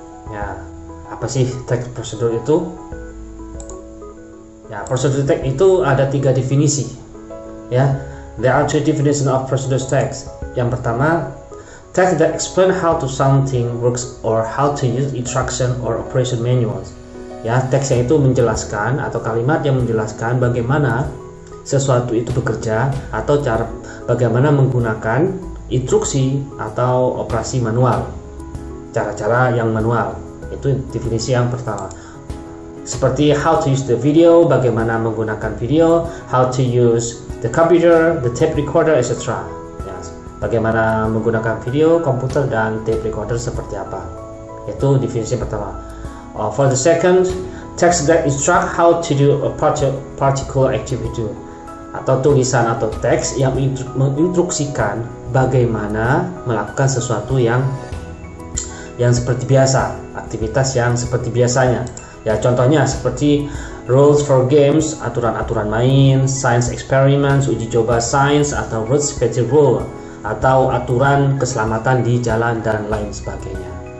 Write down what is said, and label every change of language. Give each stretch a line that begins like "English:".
Indonesian: Ya, apa sih text procedure itu? Ya, prosody text itu ada 3 definisi. Ya.
English: There are two definitions of procedure text.
Indonesian: Yang pertama,
English: text that explain how to something works or how to use instruction or operation manuals.
Indonesian: Ya, text yang itu menjelaskan atau kalimat yang menjelaskan bagaimana sesuatu itu bekerja atau cara bagaimana menggunakan instruksi atau operasi manual. Cara-cara yang manual. Itu definisi yang pertama.
English: Seperti how to use the video,
Indonesian: bagaimana menggunakan video,
English: how to use the computer, the tape recorder, etc. Yes.
Indonesian: Bagaimana menggunakan video, komputer, dan tape recorder seperti apa. Itu definisi pertama.
English: For the second, text that instruct how to do a particular activity.
Indonesian: Atau tulisan atau teks yang menginstruksikan bagaimana melakukan sesuatu yang seperti biasa. Aktivitas yang seperti biasanya. Ya, contohnya seperti
English: rules for games,
Indonesian: aturan-aturan main,
English: science experiments,
Indonesian: uji coba science, atau
English: road safety rule,
Indonesian: atau aturan keselamatan di jalan dan lain sebagainya.